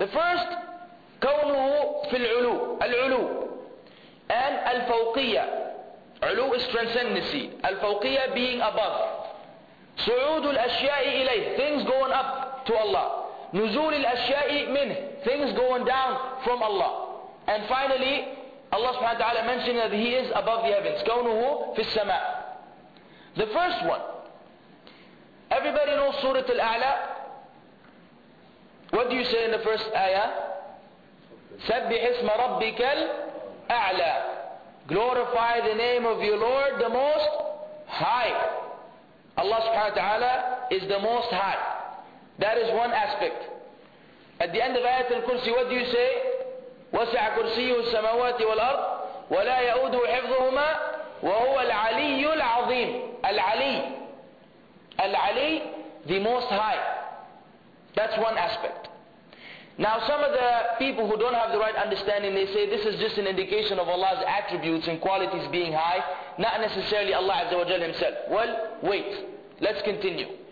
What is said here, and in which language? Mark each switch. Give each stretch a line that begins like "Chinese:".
English: The first,
Arabic: كَوْنُهُ فِي الْعُلُوُ الْعُلُوُ and الْفَوْقِيَّةِ علو
English: is transcendency.
Arabic: الْفَوْقِيَّةِ
English: being above.
Arabic: سُعُودُ الْأَشْيَاءِ إِلَيْهِ
English: things going up to Allah.
Arabic: نُزُولِ الْأَشْيَاءِ مِنْهِ
English: things going down from Allah. And finally, Allah subhanahu wa ta'ala mentioned that He is above the heavens.
Arabic: كَوْنُهُ فِي السَّمَاءِ.
English: The first one. Everybody knows Surah Al-A'la. What do you say in the first ayah?
Arabic: سبح اسم ربك الأعلى.
English: Glorify the name of your Lord, the most high. Allah subhanahu wa ta'ala is the most high. That is one aspect. At the end of ayat al-Kursi, what do you say?
Arabic: وسع كرسيه السماوات والأرض ولا يؤوده حفظهما وهو العلي العظيم. العلي.
English: العلي, the most high. That's one aspect. Now some of the people who don't have the right understanding, they say this is just an indication of Allah's attributes and qualities being high, not necessarily Allah Azza wa Jal Himself. Well, wait. Let's continue.